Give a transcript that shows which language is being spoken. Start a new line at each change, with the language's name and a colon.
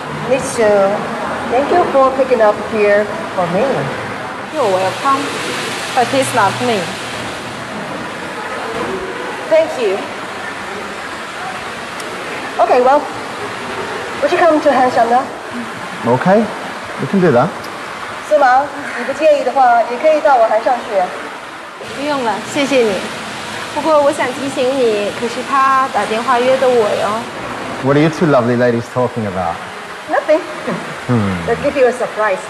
English: Mr. Thank you for picking up here for me. You're welcome. But it's not me. Thank you. Okay, well, would you come to Han Xiang now? Okay, we can do that.
Chinese: 司马，你不介意的话，也可以到我韩上去。不用了，谢谢你。不过我想提醒你，可是他打电话约的我哟。
English: What are you two lovely ladies talking about? Nothing. Let's give you a surprise.